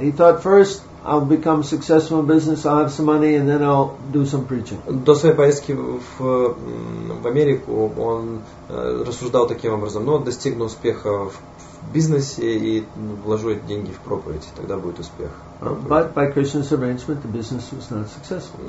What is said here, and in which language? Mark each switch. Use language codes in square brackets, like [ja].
[en] He thought first I'll become successful in business, I'll have some money, and then I'll do some preaching. [ru] До своей поездки в Америку он рассуждал таким образом: ну, достигну успеха в бизнесе и вложу эти деньги в проповедь, тогда будет успех. [en] But by Krishna's arrangement, the business was not successful.